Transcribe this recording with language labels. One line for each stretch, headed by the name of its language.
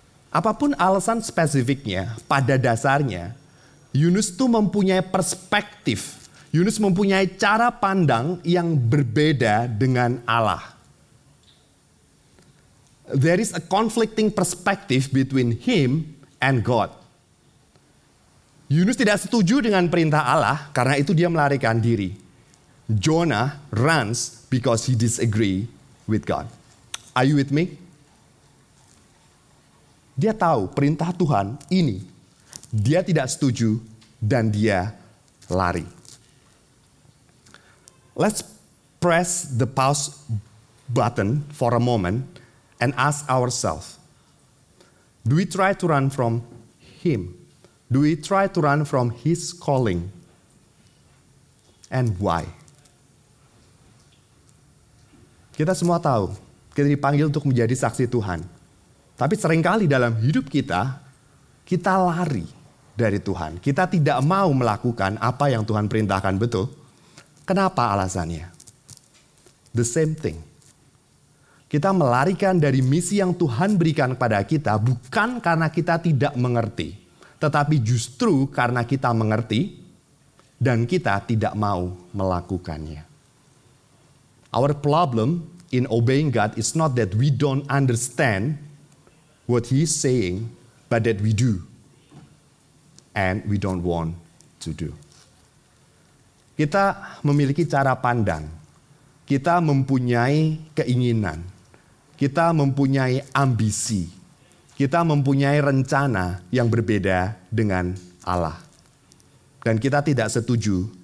Indonesian: Apapun alasan spesifiknya, pada dasarnya, Yunus itu mempunyai perspektif. Yunus mempunyai cara pandang yang berbeda dengan Allah.
English: There is a conflicting perspective between him and God.
Indonesian: Yunus tidak setuju dengan perintah Allah, karena itu dia melarikan diri.
English: Jonah runs because he disagree with God. Are you with me?
Indonesian: Dia tahu perintah Tuhan ini. Dia tidak setuju dan dia lari.
English: Let's press the pause button for a moment and ask ourselves. Do we try to run from him? Do we try to run from his calling? And why?
Indonesian: Kita semua tahu, kita dipanggil untuk menjadi saksi Tuhan. Tapi seringkali dalam hidup kita, kita lari dari Tuhan. Kita tidak mau melakukan apa yang Tuhan perintahkan, betul? Kenapa alasannya?
English: The same thing.
Indonesian: Kita melarikan dari misi yang Tuhan berikan kepada kita bukan karena kita tidak mengerti. Tetapi justru karena kita mengerti dan kita tidak mau melakukannya.
English: Our problem in obeying God is not that we don't understand what he is saying, but that we do and we don't want to do.
Indonesian: Kita memiliki cara pandang. Kita mempunyai keinginan. Kita mempunyai ambisi. Kita mempunyai rencana yang berbeda dengan Allah. Dan kita tidak setuju dengan